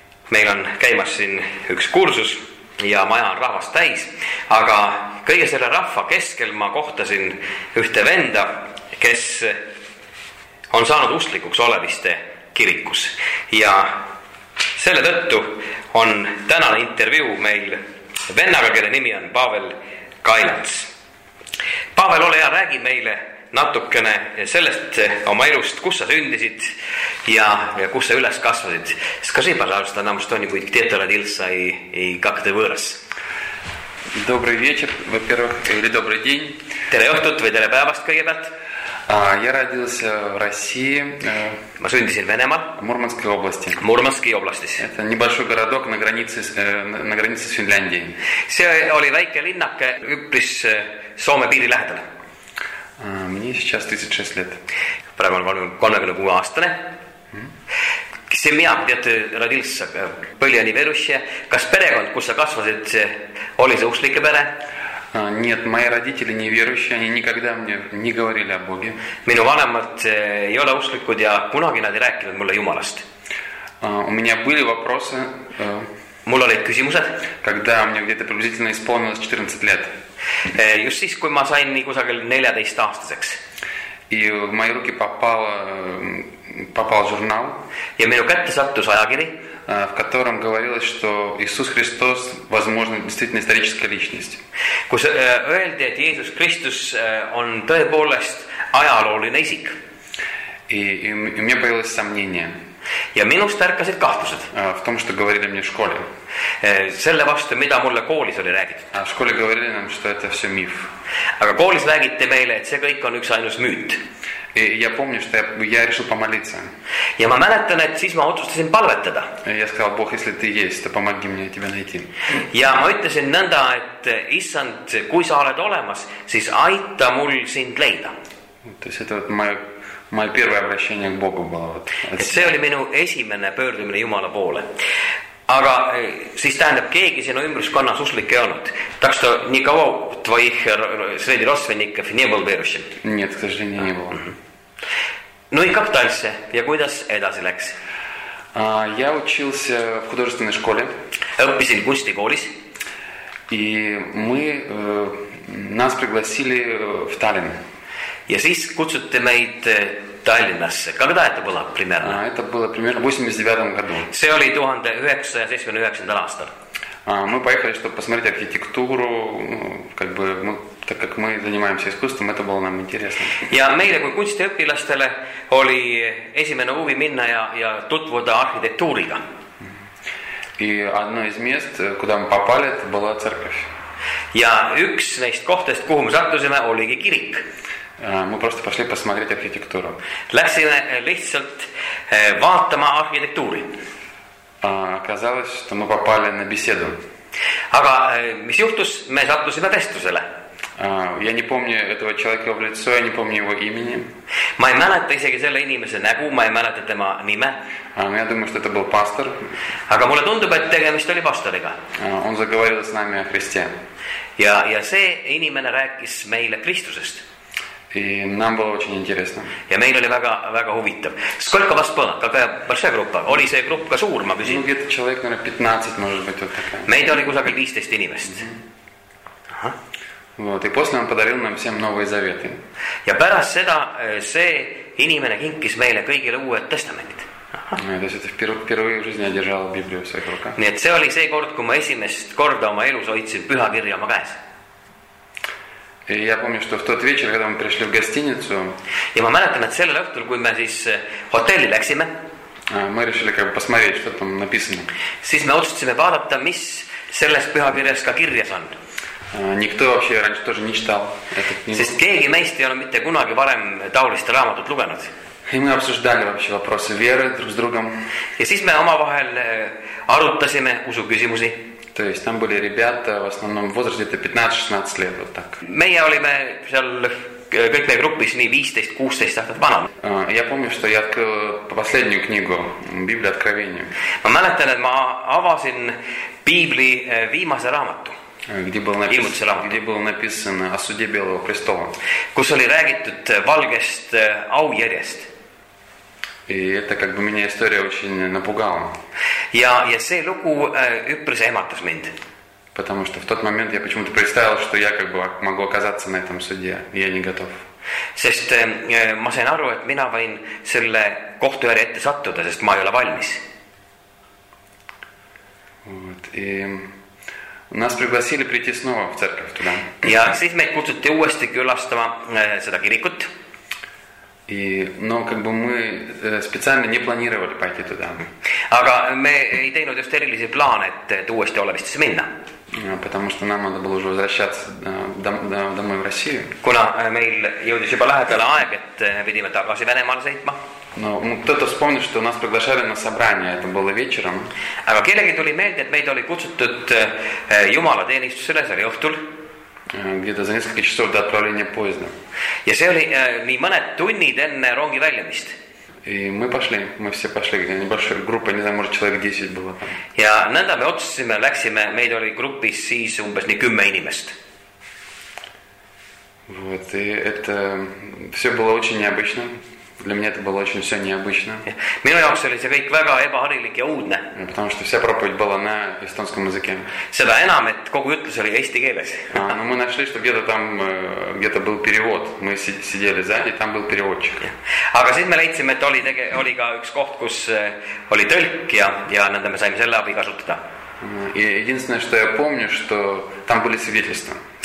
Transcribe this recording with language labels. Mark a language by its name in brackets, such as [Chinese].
[Estonian] Meil on käimas siin üks kursus ja maja on rahvast täis, aga kõige selle rahva keskel ma kohtasin ühte venda, kes on saanud usklikuks oleviste kirikus ja selle tõttu on tänane intervjuu meil vennaga, kelle nimi on Pavel Kailats. Pavel, ole hea, räägi meile natukene sellest oma elust, kus sa sündisid ja kus sa üles kasvasid. [Russian] Skaži, pažalost, nam što oni budi kdje tola dilsa i kak te võras. Добрый вечер, во-первых, или добрый день. [Estonian] Tere õhtut või tere päevast kõigepealt. [Russian] Я родился в России. [Estonian] Ma sündisin Venemaal. [Russian] Мурманской области. Мурманской области. Это небольшой городок на границе с Финляндией. [Estonian] See oli väike linnake üpris Soome piiri lähedale. [Russian] Мне сейчас 36 лет. [Estonian] Praegu olen 36-aastane. See mea, teate, radilsa põljani verusse. Kas perekond, kus sa kasvasid, oli see usklike pere? [Russian] Нет, мои родители не верующие, они никогда мне не говорили о Боге. [Estonian] Minu vanemad ei ole usklikud ja kunagi nad ei rääkinud mulle Jumalast. [Russian] У меня были вопросы. [Estonian] Mul olid küsimused. [Russian] Когда мне где-то приблизительно исполнилось 14 лет. [Estonian] Just siis, kui ma sain nii kusagil 14-aastaseks. [Russian] И в мои руки попал журнал. [Estonian] Ja minu kätte sattus ajakiri. [Russian] В котором говорилось, что Иисус Христос возможно действительно историческая личность. [Estonian] Kus öeldi, et Jeesus Kristus on tõepoolest ajalooline isik. [Russian] И у меня появилось сомнение. [Estonian] Ja minust ärkasid kahtused. [Russian] В том, что говорили мне в школе. [Estonian] Selle vastu, mida mulle koolis oli räägitud. [Russian] В школе говорили нам, что это все миф. [Estonian] Aga koolis räägiti meile, et see kõik on üks ainus müüt. [Russian] Я помню, что я решил помолиться. [Estonian] Ja ma mäletan, et siis ma otsustasin palvetada. [Russian] Я сказал, Бог, если ты есть, то помоги мне тебя найти. [Estonian] Ja ma ütlesin nõnda, et Issand, kui sa oled olemas, siis aita mul sind leida. [Russian] Моё первое обращение к Богу было. [Estonian] See oli minu esimene pöördumine Jumala poole. Aga siis tähendab, keegi sinu ümbruskonnas uslik ei olnud. [Russian] Так что никого твоих среди родственников не был верующим? Нет, к сожалению, не было. Ну и как дальше? [Estonian] Ja kuidas edasi läks? [Russian] Я учился в художественной школе. [Estonian] Õppisin kunstikoolis. [Russian] И мы нас пригласили в Таллин. [Estonian] Ja siis kutsuti meid Tallinnasse. [Russian] Когда это было примерно? Это было примерно в 89 году. [Estonian] See oli 1979 aastal. [Russian] Мы поехали, чтобы посмотреть архитектуру, как бы, ну, так как мы занимаемся искусством, это было нам интересно. [Estonian] Ja meile kui kunstiõpilastele oli esimene huvi minna ja tutvuda arhitektuuriga. [Russian] И одно из мест, куда мы попали, это была церковь. [Estonian] Ja üks neist kohtest, kuhu me sattusime, oligi kirik. [Russian] Мы просто пошли посмотреть архитектуру. [Estonian] Läksime lihtsalt vaatama arhitektuuri. [Russian] Оказалось, что мы попали на беседу. [Estonian] Aga mis juhtus? Me sattusime vestlusele. [Russian] Я не помню этого человека в лицо, я не помню его имени. [Estonian] Ma ei mäleta isegi selle inimese nägu, ma ei mäleta tema nime. [Russian] Я думаю, что это был пастор. [Estonian] Aga mulle tundub, et tegemist oli pastoriga. [Russian] Он заговорил с нами о Христе. [Estonian] Ja see inimene rääkis meile Kristusest. [Russian] И нам было очень интересно. [Estonian] Ja meil oli väga, väga huvitav. [Russian] Сколько вас было? Какая большая группа? [Estonian] Oli see grupp ka suur, ma küsin? [Russian] Ну, где-то человек, наверное, 15, может быть, вот такая. [Estonian] Meid oli kusagil 15 inimest. [Russian] Вот, и после он подарил нам всем новые заветы. [Estonian] Ja pärast seda see inimene kinkis meile kõigile uued testamentid. [Russian] То есть, впервые в жизни я держал Библию в своих руках. [Estonian] Nii, et see oli see kord, kui ma esimest korda oma elus hoidsin pühakirja oma käes. [Russian] И я помню, что в тот вечер, когда мы пришли в гостиницу... [Estonian] Ja ma mäletan, et sellel õhtul, kui me siis hotelli läksime... [Russian] Мы решили как бы посмотреть, что там написано. [Estonian] Siis me otsutasime vaadata, mis selles pühakirjas ka kirjas on. [Russian] Никто вообще раньше тоже не читал. [Estonian] Sest keegi meist ei ole mitte kunagi varem taoliste raamatut lugenud. [Russian] И мы обсуждали вообще вопросы веры друг с другом. [Estonian] Ja siis me oma vahel arutasime usu küsimusi. [Russian] То есть там были ребята в основном в возрасте 15-16 лет, вот так. [Estonian] Meie olime seal kõik meie grupis nii 15-16 aastat vanad. [Russian] Я помню, что я открыл последнюю книгу, Библию Откровения. [Estonian] Ma mäletan, et ma avasin Biibli viimase raamatu. [Russian] Где было написано о суде Белого Престола. [Estonian] Kus oli räägitud valgest aujärjest. [Russian] И это как бы меня история очень напугала. [Estonian] Ja see lugu üpris ehmatas mind. [Russian] Потому что в тот момент я почему-то представил, что я как бы могу оказаться на этом суде, и я не готов. [Estonian] Sest ma sain aru, et mina võin selle kohtuäri ette sattuda, sest ma ei ole valmis. [Russian] Вот, и нас пригласили прийти снова в церковь туда. [Estonian] Ja siis meid kutsuti uuesti külastama seda kirikut. [Russian] И, но как бы мы специально не планировали пойти туда. [Estonian] Aga me ei teinud just erilisi plaane, et uuesti Olevistesse minna. [Russian] Потому что нам надо было уже возвращаться домой в Россию. [Estonian] Kuna meil jõudis juba lähedale aeg, et pidime tagasi Venemaal sõitma. [Russian] No, кто-то вспомнил, что нас приглашали на собрание, это было вечером. [Estonian] Aga kellegi tuli meelde, et meid oli kutsutud Jumala teenistusele, see oli õhtul. [Russian] Где-то за несколько часов до отправления поезда. [Estonian] Ja see oli nii mõned tunnid enne rongi väljumist. [Russian] И мы пошли, мы все пошли, где небольшая группа, не знаю, может, человек 10 было там. [Estonian] Ja nõnda me otsusime, läksime, meid oli gruppis siis umbes nii 10 inimest. [Russian] Вот, и это все было очень необычно. Для меня это было очень все необычно. [Estonian] Minu jaoks oli see kõik väga ebaharilik ja uudne. [Russian] Потому что вся проповедь была на эстонском языке. [Estonian] Seda enam, et kogu jutlus oli eesti keeles. [Russian] Но мы нашли, что где-то там где-то был перевод. Мы сидели сзади, там был переводчик. [Estonian] Aga siis me leidsime, et oli ka üks koht, kus oli tõlk ja nõnda me saime selle abi kasutada. [Russian] Единственное, что я помню, что там были свидетельства.